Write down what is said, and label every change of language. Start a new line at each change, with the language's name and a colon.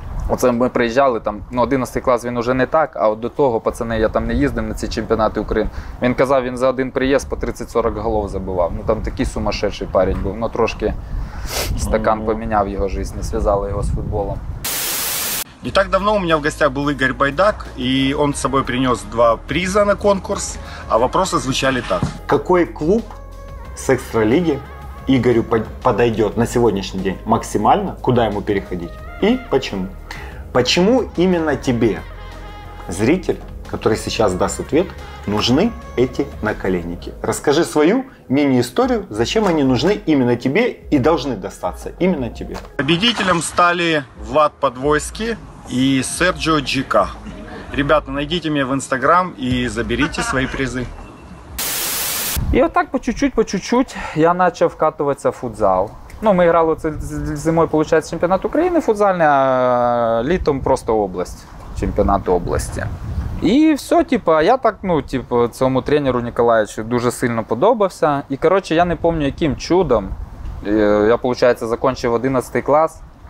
Ukrainian: Оце ми приїжджали, там, ну, 11 клас він уже не так, а от до того, пацани, я там не їздив на ці чемпіонати України. Він казав, він за один приїзд по 30-40 голов забивав. Ну, там такий
Russian: сумасшедший парень
Ukrainian: був, ну, трошки стакан поміняв його життя, зв'язали його з футболом.
Russian: Не так давно у меня в гостях был Игорь Байдак, и он с собой принес два приза на конкурс, а вопросы звучали так. Какой клуб с экстралиги Игорю подойдет на сегодняшний день максимально, куда ему переходить и почему? Почему именно тебе, зритель, который сейчас даст ответ, нужны эти наколенники? Расскажи свою мини-историю, зачем они нужны именно тебе и должны достаться именно тебе. Победителем стали Влад Подвойски и Серджио Джика. Ребята, найдите меня в Инстаграм и заберите свои призы. И вот так по чуть-чуть я начал вкатываться в футзал.
Ukrainian: Ну, ми грали це зимою, виходить, чемпіонат України футзальний, а літом просто область, чемпіонат області. І все, типу, я так, ну, типу, цьому тренеру Ніколаєвичу дуже сильно подобався. І, коротше, я не пам'ятаю, яким чудом. Я, виходить, закінчив 11 клас.